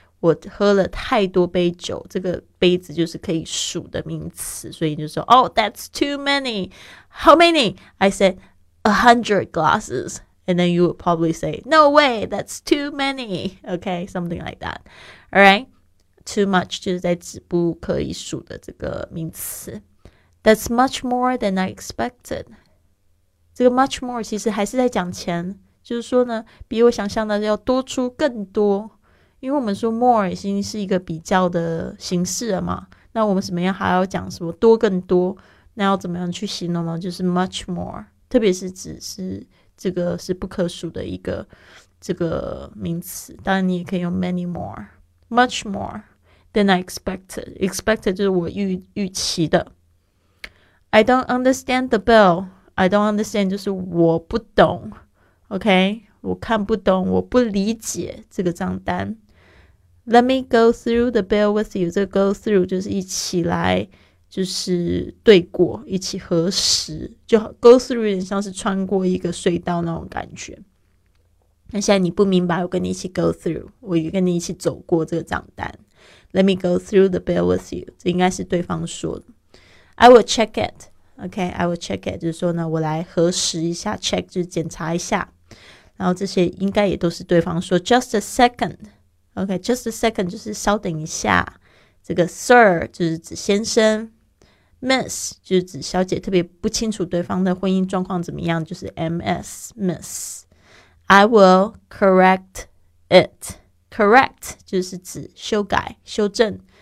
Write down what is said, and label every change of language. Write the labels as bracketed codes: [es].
[zh] 我喝了太多杯酒，这个杯子就是可以数的名词，所以就说 [en] Oh, that's too many. How many? I said 100 glasses. And then you would probably say, no way, that's too many. Okay, something like that. All right. [zh] Too much 就是在指不可以数的这个名词。 [en] That's much more than I expected. [zh] 这个 much more 其实还是在讲钱，就是说呢，比我想象的要多出更多。因为我们说 more 已经是一个比较的形式了嘛，那我们怎么样还要讲什么多更多，那要怎么样去形容呢？就是 much more， 特别是指是这个是不可数的一个这个名词。当然你也可以用 [en] many more， much more than I expected。 [zh] Expected 就是我 预期的。 [en] I don't understand the bill. I don't understand [zh] 就是我不懂。 OK， 我看不懂，我不理解这个账单。 [en] Let me go through the bill with you. [zh] 这个 go through 就是一起来，就是对过，一起核实，就 go through 有点像是穿过一个隧道那种感觉。那现在你不明白，我跟你一起 go through， 我跟你一起走过这个账单。 [en] Let me go through the bill with you. [zh] 这应该是对方说的。 [en] I will check it. Okay, I will check it. [zh] 就是说呢，我来核实一下 check 就是检查一下。然后这些应该也都是对方说 just a second. Okay, just a second 就是稍等一下。这个 sir 就是指先生。Miss 就是指小姐特别不清楚对方的婚姻状况怎么样，就是 MS, Miss. [en] I will correct it. Correct [zh] 就是指修改、修正。